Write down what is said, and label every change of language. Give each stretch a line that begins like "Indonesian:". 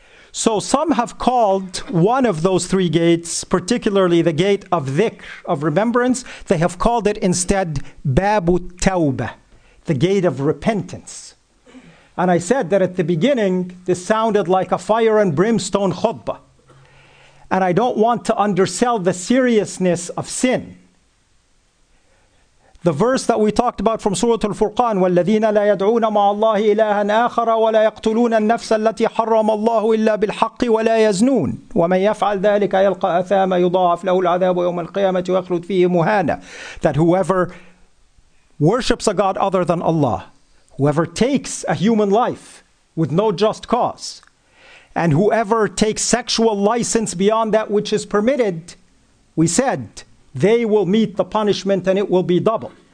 English: So some have called one of those three gates, particularly the gate of dhikr, of remembrance, they have called it instead Babu Tawbah, the gate of repentance. And I said that at the beginning, this sounded like a fire and brimstone khutbah. And I don't want to undersell the seriousness of sin. The verse that we talked about from Surah Al-Furqan,
Arabic: وَالَّذِينَ لَا يَدْعُونَ مَعَ اللَّهِ إِلَٰهًا آخَرَ وَلَا يَقْتُلُونَ النَّفْسَ الَّتِي حَرَّمَ اللَّهُ إِلَّا بِالْحَقِّ وَلَا يَزْنُونَ وَمَنْ يَفْعَلْ ذَلِكَ يَلْقَ أَثَامًا يُضَاعَفْ لَهُ الْعَذَابُ يَوْمَ الْقِيَامَةِ وَيَخْلُدْ فِيهِ مُهَانًا.
English: That whoever worships a god other than Allah, whoever takes a human life with no just cause, and whoever takes sexual license beyond that which is permitted, we said, they will meet the punishment and it will be double.